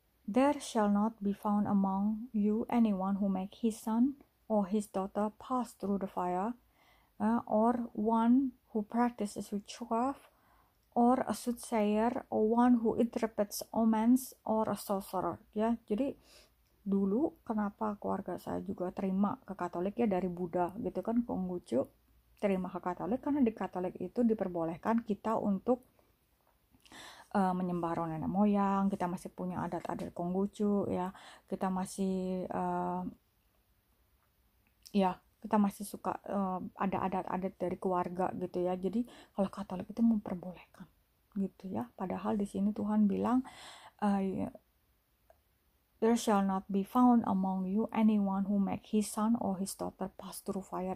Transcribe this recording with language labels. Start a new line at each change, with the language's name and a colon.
English: There shall not be found among you anyone who make his son or his daughter pass through the fire, or one who practices witchcraft, or a soothsayer, or one who interprets omens, or a sorcerer.
Indonesian: Ya, jadi dulu kenapa keluarga saya juga terima ke Katolik ya, dari Buddha gitu kan, Konghucu terima ke Katolik karena di Katolik itu diperbolehkan kita untuk menyembah roh nenek moyang, kita masih punya adat-adat Konghucu ya, kita masih ya kita masih suka ada adat-adat dari keluarga gitu ya. Jadi kalau Katolik itu memperbolehkan gitu ya, padahal di sini Tuhan bilang
English: there shall not be found among you anyone who make his son or his daughter pass through fire.